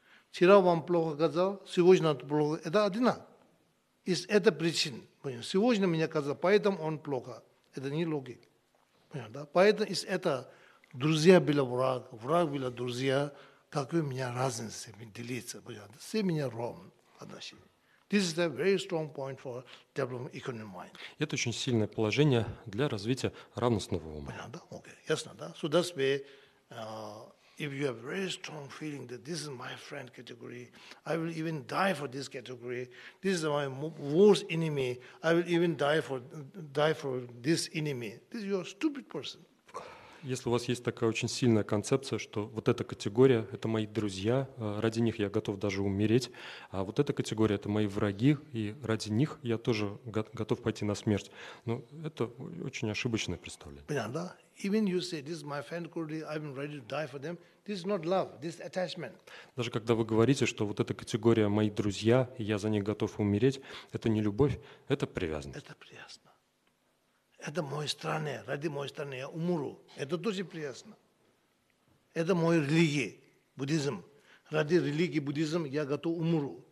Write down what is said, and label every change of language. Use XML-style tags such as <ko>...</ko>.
<ru>Вчера вам плохо сказал, сегодня плохо, это одинаково. Это причина. Сегодня мне сказал, поэтому он плохо. Это не логика. Да? Поэтому из этого друзья были враг, враг были друзья, какой у меня разница, делиться. Понятно? Все меня ровно отношения.</ru> <en>This is a very strong point for developing economic mind.</en> <ru>Это очень сильное положение для развития равностного ума. Понятно, да?</ru> <en>Okay.</en> <ru>Ясно, да?</ru> <en>So that's why, if you have very strong feeling that this is my friend category, I will even die for this category. This is my worst enemy. I will even die for this enemy. This is your stupid person.</en> <ru>Если у вас есть такая очень сильная концепция, что вот эта категория – это мои друзья, ради них я готов даже умереть, а вот эта категория – это мои враги, и ради них я тоже готов пойти на смерть. Ну, это очень ошибочное представление. Понятно, да?</ru> <en>Even you say, this is my friend, I'm ready to die for them, this is not love, this is attachment.</en> <ru>Даже когда вы говорите, что вот эта категория – мои друзья, и я за них готов умереть, это не любовь, это привязанность. Это привязанность. Это моя страна, ради моей страны я умру. Это тоже приятно. Это моя религия, буддизм. Ради религии, буддизм я готов умру.</ru>